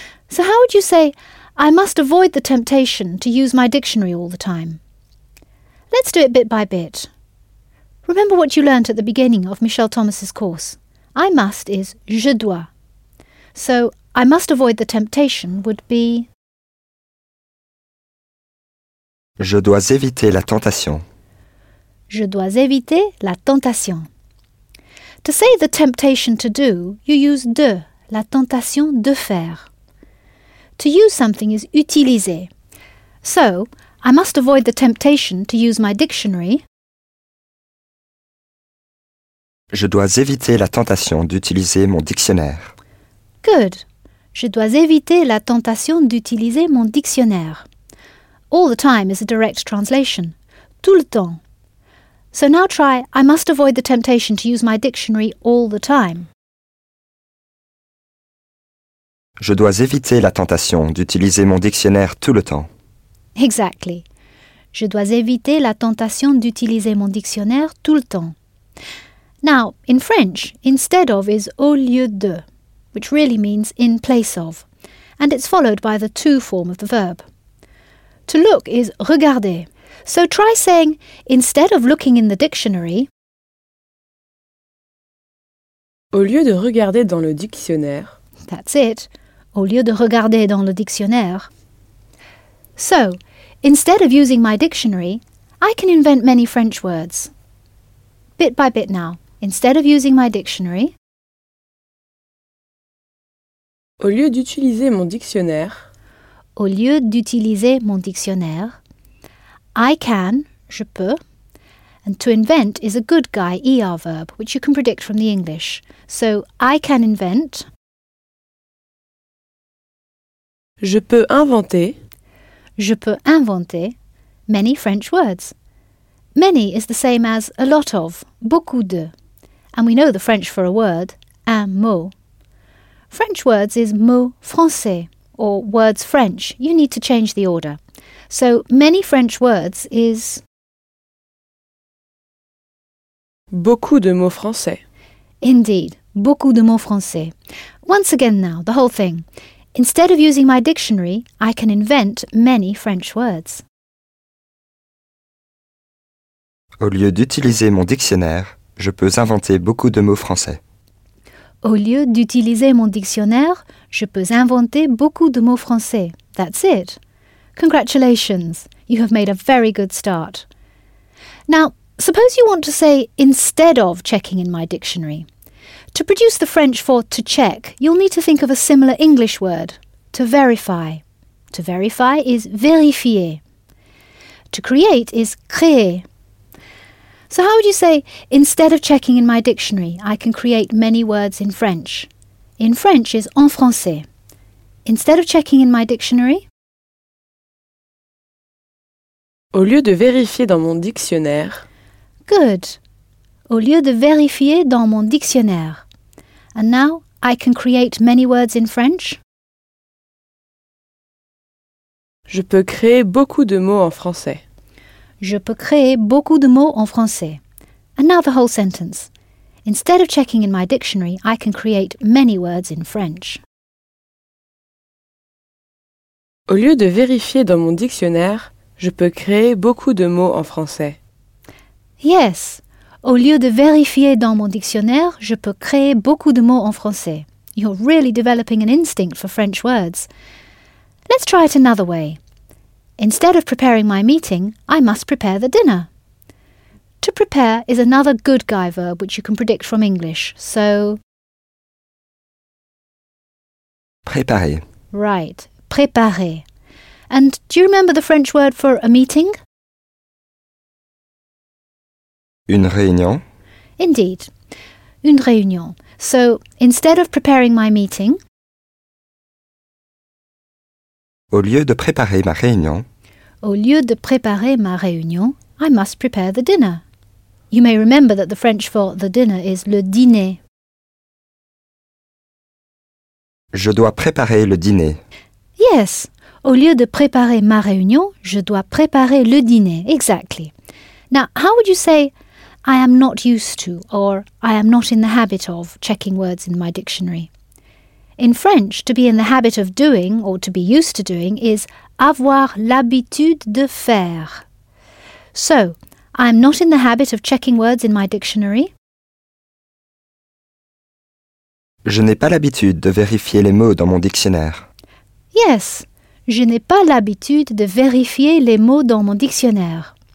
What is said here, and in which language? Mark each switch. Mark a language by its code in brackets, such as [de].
[en] So how would you say, I must avoid the temptation to use my dictionary all the time? Let's do it bit by bit. Remember what you learnt at the beginning of Michel Thomas's course. I must is [fr] je dois. [en] So I must avoid the temptation would be... [fr] Je dois éviter la tentation. Je dois éviter la tentation. [en] To say the temptation to do, you use de. [fr] La tentation de faire. [en] To use something is utiliser. So, I must avoid the temptation to use my dictionary. [fr] Je dois éviter la tentation d'utiliser mon dictionnaire. [en] Good. [fr] Je dois éviter la tentation d'utiliser mon dictionnaire. [en] All the time is a direct translation. [fr] Tout le temps. [en] So now try, I must avoid the temptation to use my dictionary all the time. [fr] Je dois éviter la tentation d'utiliser mon dictionnaire tout le temps. [en] Exactly. [fr] Je dois éviter la tentation d'utiliser mon dictionnaire tout le temps. [en] Now, in French, instead of is [fr] au lieu de, [en] which really means in place of, and it's followed by the to form of the verb. To look is regarder. So try saying, instead of looking in the dictionary, [fr] au lieu de regarder dans le dictionnaire. [en] That's it. [fr] Au lieu de regarder dans le dictionnaire. [en] So, instead of using my dictionary, I can invent many French words. Bit by bit now. Instead of using my dictionary, [fr] au lieu d'utiliser mon dictionnaire, au lieu d'utiliser mon dictionnaire, [en] I can, [fr] je peux, [en] and to invent is a good guy ER verb, which you can predict from the English. So, I can invent... [fr] Je peux inventer. Je peux inventer [en] many French words. Many is the same as a lot of, [fr] beaucoup de. [en] And we know the French for a word, [fr] un mot. [en] French words is [fr] mots français, [en] or words French. You need to change the order. So many French words is... [fr] Beaucoup de mots français. Indeed, beaucoup de mots français. [en] Once again now, the whole thing. Instead of using my dictionary, I can invent many French words. [fr] Au lieu d'utiliser mon dictionnaire, je peux inventer beaucoup de mots français. Au lieu d'utiliser mon dictionnaire, je peux inventer beaucoup de mots français. [en] That's it. Congratulations. You have made a very good start. Now, suppose you want to say instead of checking in my dictionary. To produce the French for to check, you'll need to think of a similar English word, to verify. To verify is vérifier. To create is créer. So how would you say, instead of checking in my dictionary, I can create many words in French? In French is [fr] en français. [en] Instead of checking in my dictionary? [fr] Au lieu de vérifier dans mon dictionnaire. [en] Good. [fr] Au lieu de vérifier dans mon dictionnaire. [en] And now, I can create many words in French. [fr] Je peux créer beaucoup de mots en français. Je peux créer beaucoup de mots en français. [en] And now the whole sentence. Instead of checking in my dictionary, I can create many words in French. [fr] Au lieu de vérifier dans mon dictionnaire, je peux créer beaucoup de mots en français. [en] Yes. [fr] Au lieu de vérifier dans mon dictionnaire, je peux créer beaucoup de mots en français. [en] You're really developing an instinct for French words. Let's try it another way. Instead of preparing my meeting, I must prepare the dinner. To prepare is another good guy verb which you can predict from English, so... [fr] Préparer. Right, préparer. [en] And do you remember the French word for a meeting? [fr] Une réunion. Indeed, une réunion. [en] So, instead of preparing my meeting... [fr] Au lieu de préparer ma réunion... Au lieu de préparer ma réunion, [en] I must prepare the dinner. You may remember that the French for the dinner is [fr] le dîner. Je dois préparer le dîner. [en] Yes. [fr] Au lieu de préparer ma réunion, je dois préparer le dîner. [en] Exactly. Now, how would you say, I am not used to, or I am not in the habit of checking words in my dictionary? In French, to be in the habit of doing, or to be used to doing, is [fr] avoir l'habitude de faire. [en] So, I am not in the habit of checking words in my dictionary. [fr] Je n'ai pas l'habitude de vérifier les mots dans mon dictionnaire. Yes, je n'ai pas l'habitude de vérifier les mots dans mon dictionnaire.